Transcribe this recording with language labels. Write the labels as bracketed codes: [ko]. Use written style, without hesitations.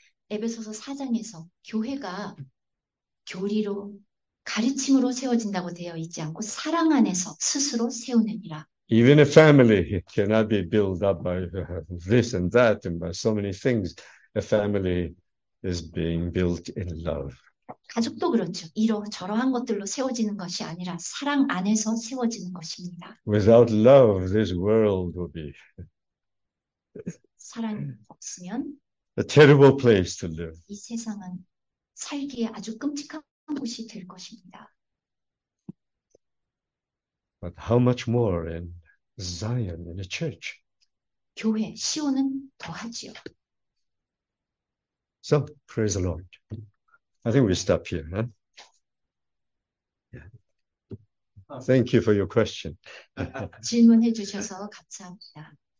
[ko] 에베소서 4장에서 교회가 교리로 가르침으로 세워진다고 되어 있지 않고 사랑 안에서 스스로 세우느니라. [en] Even a family cannot be built up by this and that and by so many things. A family is being built in love. [ko] 가족도 그렇죠. 이러저러한 것들로 세워지는 것이 아니라 사랑 안에서 세워지는 것입니다. [en] Without love, this world will be [ko] 사랑 없으면 [en] a terrible place to live. [ko] 이 세상은 살기에 아주 끔찍한 곳이 될 것입니다. [en] But how much more in Zion, in a church? [ko] 교회, 시온은 더하지요. [en] So, praise the Lord. I think we stop here. Huh? Thank you for your question. [ko] 질문해 주셔서 감사합니다.